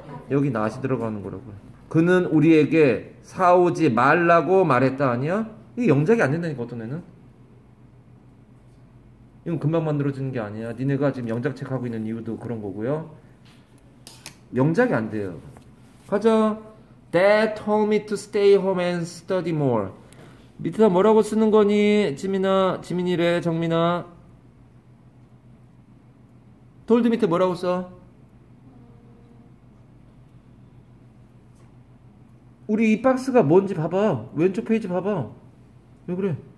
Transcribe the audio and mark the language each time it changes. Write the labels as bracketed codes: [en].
[ko] 여기 낫이 들어가는 거라고. 그는 우리에게 사오지 말라고 말했다 아니야? 이게 영작이 안 된다니까 어떤 애는? 이건 금방 만들어지는 게 아니야. 니네가 지금 영작책 하고 있는 이유도 그런 거고요. 영작이 안 돼요. 가자. [en] Dad told me to stay home and study more. [ko] 밑에다 뭐라고 쓰는 거니? 지민아, 지민이래, 정민아. Told 밑에 뭐라고 써? 우리 이 박스가 뭔지 봐봐. 왼쪽 페이지 봐봐. 왜 그래?